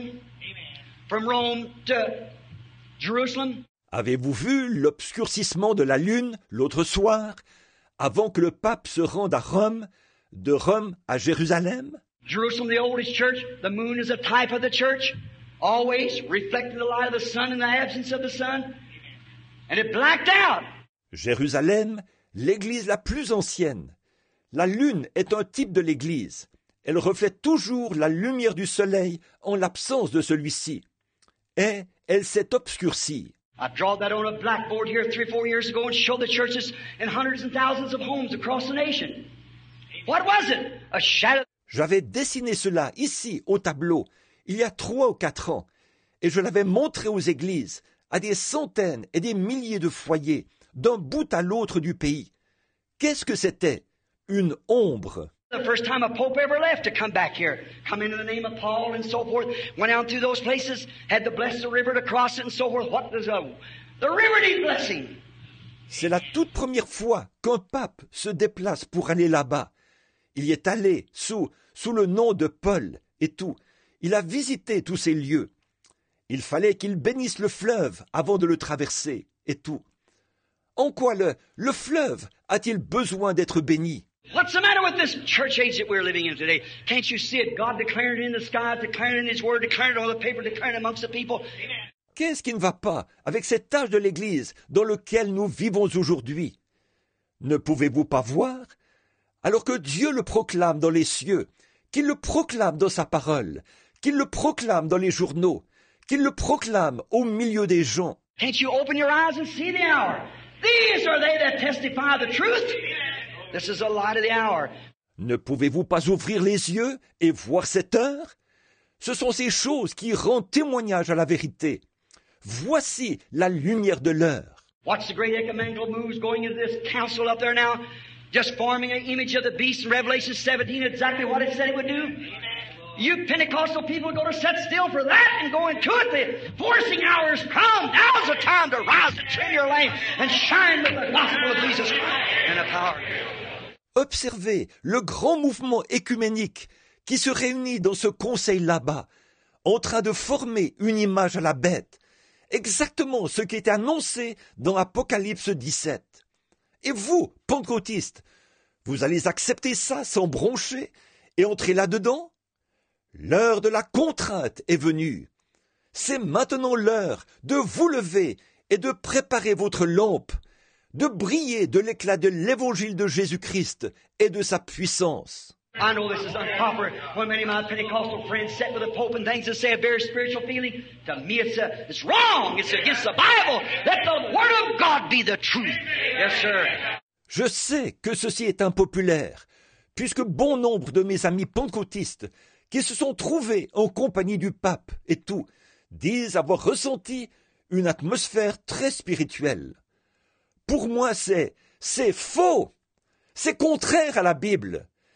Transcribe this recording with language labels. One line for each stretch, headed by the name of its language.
English: Amen. From Rome to Jerusalem?
French: Avez-vous vu l'obscurcissement de la lune l'autre soir avant que le pape se rende à Rome, de Rome à Jérusalem?
English: Jerusalem, the oldest church, the moon is a type of the church, always reflecting the light of the sun in the absence of the sun, and it blacked out.
French: Jérusalem, l'église la plus ancienne. La lune est un type de l'église. Elle reflète toujours la lumière du soleil en l'absence de celui-ci. Et elle s'est obscurcie.
English: I draw that on a blackboard here 3 or 4 years ago and show the churches in hundreds and thousands of homes across the nation. What was it? A shadow.
French: J'avais dessiné cela ici, au tableau, il y a 3 ou 4 ans, et je l'avais montré aux églises, à des centaines et des milliers de foyers, d'un bout à l'autre du pays. Qu'est-ce que c'était? Une ombre.
English: The first time a pope ever left to come back here, come in the name of Paul and so forth, went out through those places, had to bless the river to cross it and so forth. What does the river need blessing?
French: C'est la toute première fois qu'un pape se déplace pour aller là-bas. Il y est allé sous le nom de Paul et tout. Il a visité tous ces lieux. Il fallait qu'il bénisse le fleuve avant de le traverser et tout. En quoi le fleuve a-t-il besoin d'être béni?
English: What's the matter with this church age that we're living in today? Can't you see it? God declaring it in the sky, declaring it in His Word, declaring it on the paper, declaring it amongst the people.
French: Qu'est-ce qui ne va pas avec cet âge de l'Église dans lequel nous vivons aujourd'hui? Ne pouvez-vous pas voir? Alors que Dieu le proclame dans les cieux, qu'il le proclame dans sa parole, qu'il le proclame dans les journaux, qu'il le proclame au milieu des gens.
English: Can't you open your eyes and see the hour? These are they that testify the truth. This is the light of the hour.
French: Ne pouvez-vous pas ouvrir les yeux et voir cette heure? Ce sont ces choses qui rendent témoignage à la vérité. Voici la lumière de l'heure.
English: Watch the great ecumenical moves going into this council up there now. Just forming an image of the beast in Revelation 17, exactly what it said it would do. Amen. You Pentecostal people are going to set still for that and go into it. The forcing hour has come. Now's the time to rise and change your life and shine with the gospel of Jesus Christ and the power.
French: Observez le grand mouvement écuménique qui se réunit dans ce conseil là-bas, en train de former une image à la bête. Exactement ce qui est annoncé dans Apocalypse 17. Et vous, pentecôtistes, vous allez accepter ça sans broncher et entrer là-dedans? L'heure de la contrainte est venue. C'est maintenant l'heure de vous lever et de préparer votre lampe, de briller de l'éclat de l'évangile de Jésus-Christ et de sa puissance.
English: I know this is improper when many of my Pentecostal friends sit with the Pope and things and say a very spiritual feeling. To me, it's wrong. It's against the Bible. Let the Word of God be the truth. Yes, sir.
French: Je sais que ceci est impopulaire, puisque bon nombre de mes amis pentecôtistes qui se sont trouvés en compagnie du Pape et tout disent avoir ressenti une atmosphère très spirituelle. Pour moi, c'est faux. C'est contraire à la Bible.